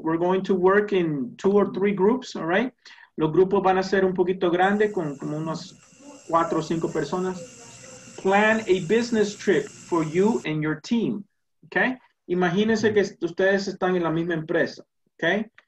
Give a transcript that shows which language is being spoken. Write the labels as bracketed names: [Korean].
[English] We're going to work in two or three groups. All right? [Spanish] Los grupos van a ser un poquito grande, con como unos cuatro o cinco personas. [English] Plan a business trip for you and your team. Okay? [Spanish] Imagínense que ustedes están en la misma empresa, okay?